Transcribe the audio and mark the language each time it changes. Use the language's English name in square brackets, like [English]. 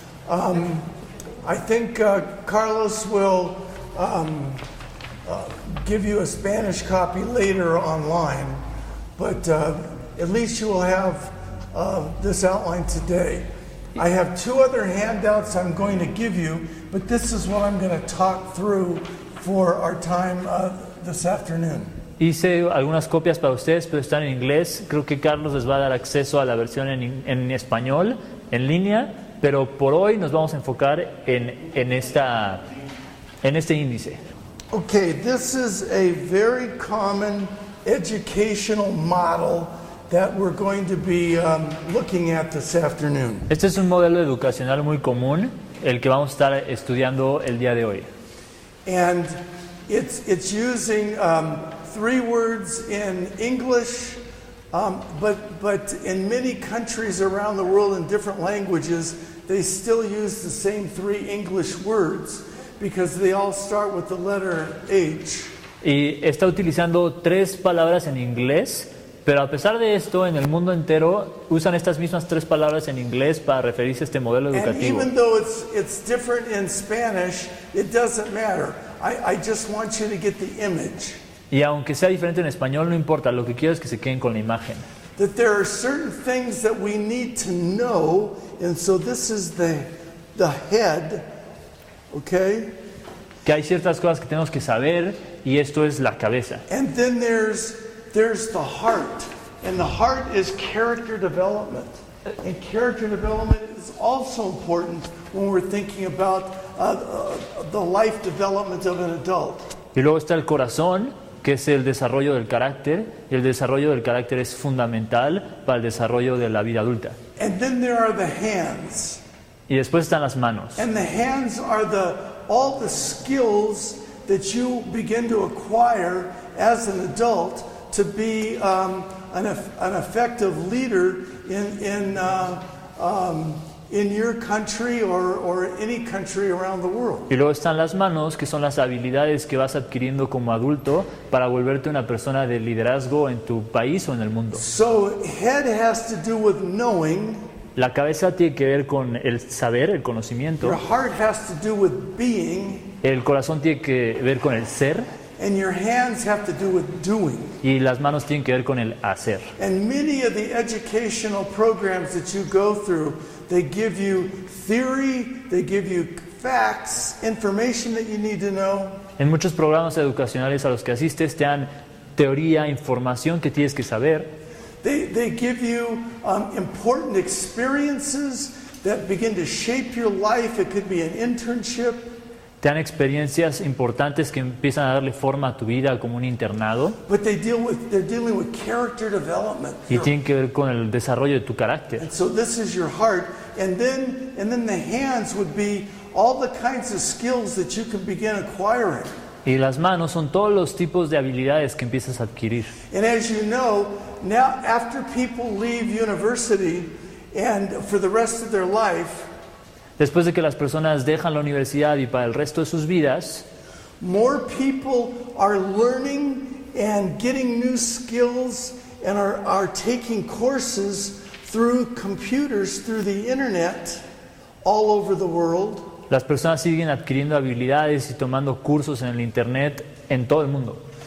[English] I think Carlos will give you a Spanish copy later online, but at least you will have this outline today. I have two other handouts I'm going to give you, but this is what I'm going to talk through for our time this afternoon. [Spanish] Hice algunas copias para ustedes, pero están en inglés. Creo que Carlos les va a dar acceso a la versión en español, en línea. Pero por hoy nos vamos a enfocar en este índice. [English] Okay, this is a very common educational model that we're going to be looking at this afternoon. [Spanish] Este es un modelo educacional muy común, el que vamos a estar estudiando el día de hoy. [English] And it's using three words in English, but in many countries around the world in different languages, they still use the same three English words because they all start with the letter H. [Spanish] Y está utilizando tres palabras en inglés, pero a pesar de esto, en el mundo entero usan estas mismas tres palabras en inglés para referirse a este modelo educativo. [English] And even though it's different in Spanish, it doesn't matter. I just want you to get the image. [Spanish] Y aunque sea diferente en español, no importa. Lo que quiero es que se queden con la imagen. [English] That there are certain things that we need to know, and so this is the head, okay? [Spanish] Que hay ciertas cosas que tenemos que saber, y esto es la cabeza. [English] And then there's the heart. And the heart is character development. And character development is also important when we're thinking about the life development of an adult. [Spanish] Y luego está el corazón, que es el desarrollo del carácter. Y el desarrollo del carácter es fundamental para el desarrollo de la vida adulta. [English] And then there are the hands. [Spanish] Y después están las manos. [English] And the hands are the all the skills that you begin to acquire as an adult to be an effective leader in your country or any country around the world. [Spanish] Y luego están las manos, que son las habilidades que vas adquiriendo como adulto para volverte una persona de liderazgo en tu país o en el mundo. [English] So head has to do with knowing. [Spanish] La cabeza tiene que ver con el saber, el conocimiento. [English] Your heart has to do with being. [Spanish] El corazón tiene que ver con el ser. [English] And your hands have to do with doing. [Spanish] Y las manos tienen que ver con el hacer. [English] And many of the educational programs that you go through, they give you theory, they give you facts, information that you need to know. [Spanish] En muchos programas educacionales a los que asistes te dan teoría, información que tienes que saber. [English] They give you important experiences that begin to shape your life. It could be an internship. [Spanish] Te dan experiencias importantes que empiezan a darle forma a tu vida como un internado. [English] But they're dealing with character development. [Spanish] Y tienen que ver con el desarrollo de tu carácter. [English] And so this is your heart, and then the hands would be all the kinds of skills that you can begin acquiring. [Spanish] Y las manos son todos los tipos de habilidades que empiezas a adquirir. [English] And as you know, now after people leave university and for the rest of their life, [Spanish] después de que las personas dejan la universidad y para el resto de sus vidas, [English] more people are learning and getting new skills and are taking courses through computers, through the internet, all over the world. [Spanish] Las personas siguen adquiriendo habilidades y tomando cursos en el internet en todo el mundo.